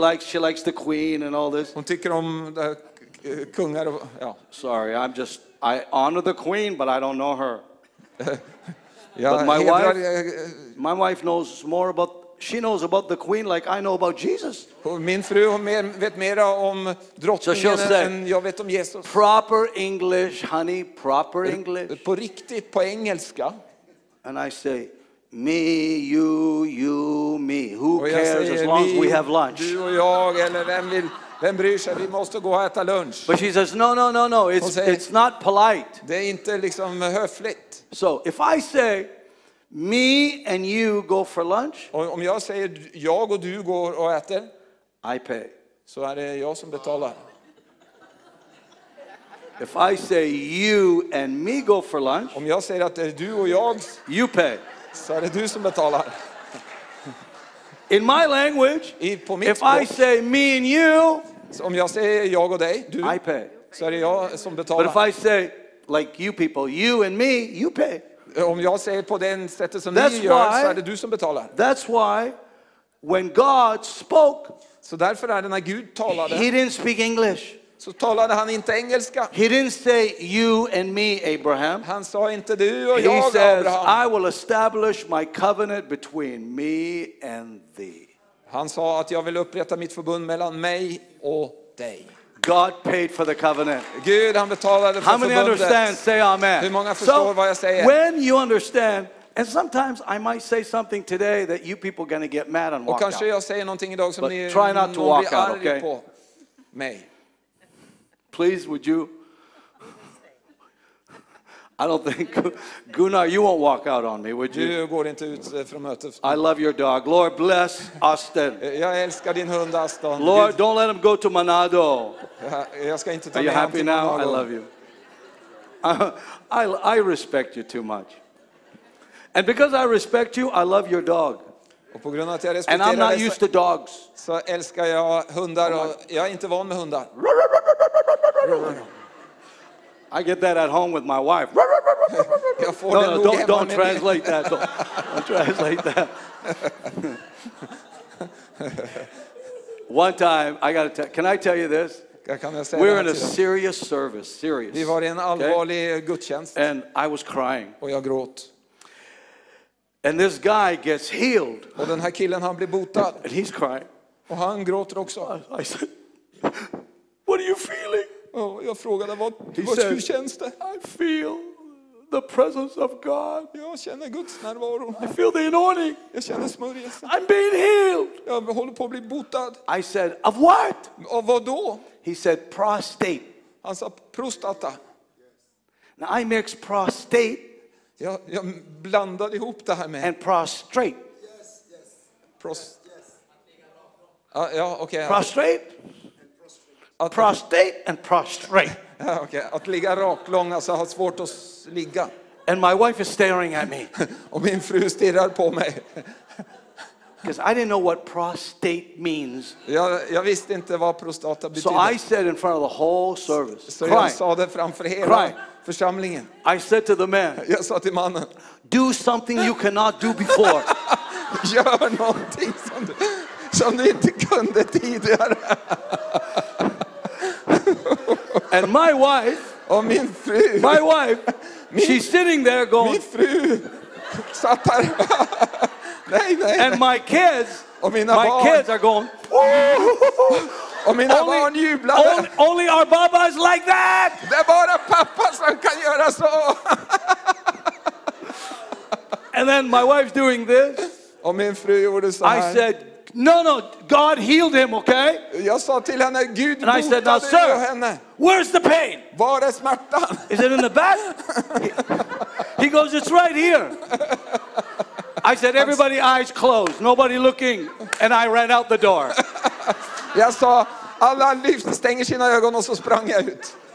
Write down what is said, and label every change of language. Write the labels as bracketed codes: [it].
[en] She likes the queen and all this. [sv] Hon tycker om kungar. [en] Sorry, I honor the queen, but I don't know her. Yeah, but my wife knows more about, she knows about the queen like I know about Jesus. [sv] Min fru vet mer om drottningen än jag vet om Jesus. [en] Proper English, honey, proper English. [sv] På riktigt, på engelska. [en] And I say, me, you, me. Who cares as long as we have lunch? [sv] Du och jag, eller vem vill... Vem bryr sig? Vi måste gå och äta lunch. [en] But she says, no. It's not polite. [sv] Det är inte liksom höfligt. [en] So if I say, me and you go for lunch. [sv] Om jag säger, jag och du går och äter. [en] I pay. [sv] Så är det jag som betalar. [en] If I say, you and me go for lunch. [sv] Om jag säger att det är du och jag. [en] You pay. [sv] Så är det du som betalar. [en] In my language, if I say me and you, [sv] om jag säger jag och dig, du, [en] I pay. [sv] Så är det jag som betalar. [en] But if I say like you people, you and me, you pay. [sv] Om jag säger på den sättet som ni gör, så är det du som betalar. [en] That's why when God spoke, [sv] så därför är det när Gud talade. [en] He didn't speak English. [sv] Så talade han inte engelska. [en] He didn't say you and me, Abraham. [sv] Han sa inte du och [en] he [sv] jag, [en] says, Abraham. I will establish my covenant between me and thee. [sv] Han sa att jag vill upprätta mitt förbund mellan mig och dig. [en] God paid for the covenant. [sv] Gud, han betalade för förbundet. [en] How many understand? Say amen. [sv] Hur många förstår vad jag säger? [en] So when you understand, and sometimes I might say something today that you people are going to get mad and walk out. [sv] Och kanske jag säger någonting idag som ni [en] try not to walk out, okay? [sv] Mig. [en] Please, would you? I don't think, Gunnar, you won't walk out on me, would you? [sv] Du går inte ut från mötet. [en] I love your dog. Lord, bless Austin. [sv] Jag älskar din hund Austin. [en] Lord, don't let him go to Manado. [sv] Jag ska inte ta. [en] Are you happy now? I love you. I respect you too much. And because I respect you, I love your dog. [sv] Och på grund av att jag respekterar dig. [en] And I'm not used to dogs. [sv] Så älskar jag hundar och jag är inte van med hundar. [en] I get that at home with my wife. No, don't translate that. Don't translate that. One time, can I tell you this? We're in a serious service. Serious. [sv] Vi var i en allvarlig gudstjänst. [en] And I was crying. [sv] Och jag gråt. [en] And this guy gets healed. [sv] Och den här killen han blir botad. [en] And he's crying. [sv] Och han gråter också. [en] I said, what are you feeling? [sv] Oh, jag frågade vad du kände. [en] I feel the presence of God. [sv] Jag känner Guds närvaro. [en] I feel the anointing. [sv] Jag känner smörjelse. [en] I'm being healed. [sv] Jag håller på att bli botad. [en] I said, of what? [sv] Av vad då? [en] He said, prostate. [sv] Han sa prostata. [en] Now I mix prostate. [sv] Jag blandade ihop det här med. [en] And prostrate. [sv] Ja, okej. [en] Okay. Prostrate. Prostate and prostrate. Okay. [sv] Att ligga rak långa så har svårt att ligga. [en] And my wife is staring at me. [sv] Och min fru stirrar på mig. [en] Because I didn't know what prostate means. [sv] Jag visste inte vad prostata betyder. [en] So I said in front of the whole service. [sv] Så jag sa det framför hela församlingen. [en] I said to the man. [sv] Jag sa till mannen. [en] Do something you cannot do before. [sv] Gör någonting som du inte kunde tidigare. [en] And my wife, [sv] och min fru, [en] my wife, she's sitting there going, [sv] min fru satt där. Nej. [en] And my kids, [sv] och mina [en] my [sv] barn, [en] kids are going, [sv] och mina [en] only, [sv] barn jublar. [en] Only our babas like that. [sv] Det är bara pappa som kan göra så. [en] And then my wife's doing this. [sv] Och min fru gjorde så här. [en] I said, No, God healed him, okay? [sv] Jag sa till henne, Gud [en] and I said, now, sir, where's the pain? [sv] Var är smärtan? [en] Is it in the back? He goes, it's right here. I said, everybody eyes closed, nobody looking. And I ran out the door. [sv] Jag sa, alla lyft, stänger sina ögon och så sprang jag ut.